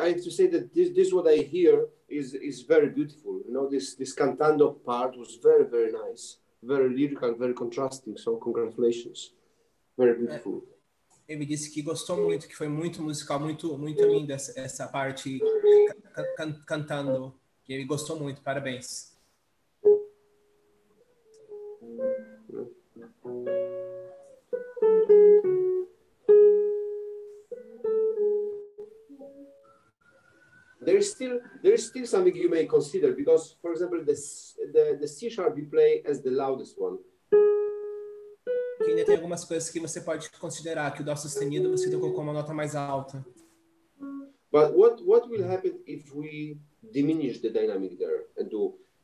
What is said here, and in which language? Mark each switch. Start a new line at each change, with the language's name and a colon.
English: Say that this what I hear is very beautiful. You know, this cantando part was very, very nice, very lyrical, very contrasting. So congratulations, very beautiful.
Portuguese: Ele me disse que gostou muito, que foi muito musical, muito, muito linda essa parte cantando. Que ele gostou muito. Parabéns.
English: There is still something you may consider, because, for example, the C sharp you play as the loudest one.
Portuguese: Que ainda tem algumas coisas que você pode considerar, que o dó sustenido você tocou como a nota mais alta.
English: But what will happen if we diminish the dynamic there and do?